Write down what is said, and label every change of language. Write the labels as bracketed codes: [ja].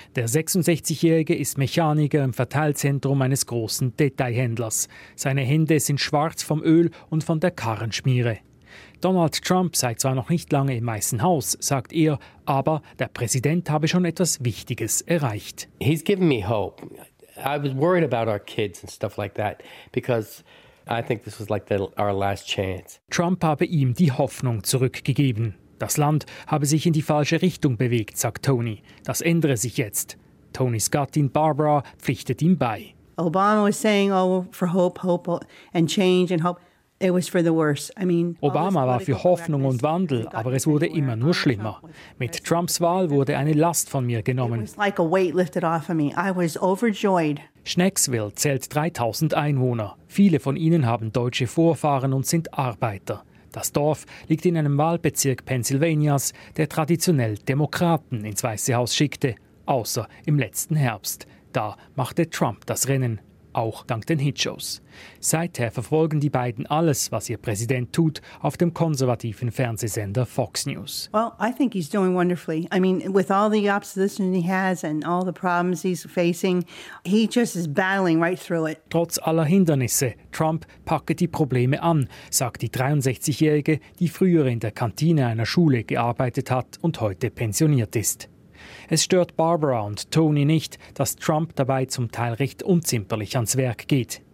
[de] Der 66-Jährige ist Mechaniker im Verteilzentrum eines großen Detailhändlers. Seine Hände sind schwarz vom Öl und von der Karrenschmiere. Donald Trump sei zwar noch nicht lange im Weißen Haus, sagt er, aber der Präsident habe schon etwas Wichtiges erreicht. [en] He's given me hope. I was worried about our kids and stuff like that because I think this was like our last chance. [de] Trump habe ihm die Hoffnung zurückgegeben. Das Land habe sich in die falsche Richtung bewegt, sagt Tony. Das ändere sich jetzt. Tonys Gattin Barbara pflichtet ihm bei. [en] Obama was saying oh for hope and change and hope. It was for the worse. I mean, [de] Obama war für Hoffnung und Wandel, aber es wurde immer nur schlimmer. Mit Trumps Wahl wurde eine Last von mir genommen. [en] It was like a weight lifted off of me. I was overjoyed. [de] Schnecksville zählt 3000 Einwohner. Viele von ihnen haben deutsche Vorfahren und sind Arbeiter. Das Dorf liegt in einem Wahlbezirk Pennsylvanias, der traditionell Demokraten ins Weiße Haus schickte. Außer im letzten Herbst. Da machte Trump das Rennen. Auch dank den Hitchows. Seither verfolgen die beiden alles, was ihr Präsident tut, auf dem konservativen Fernsehsender Fox News. [en] Well, I think he's doing wonderfully. I mean, with all the opposition he has and all the problems he's facing, he just is battling right through it. [de] Trotz aller Hindernisse, Trump packe die Probleme an, sagt die 63-Jährige, die früher in der Kantine einer Schule gearbeitet hat und heute pensioniert ist. Es stört Barbara und Tony nicht, dass Trump dabei zum Teil recht unzimperlich ans Werk geht.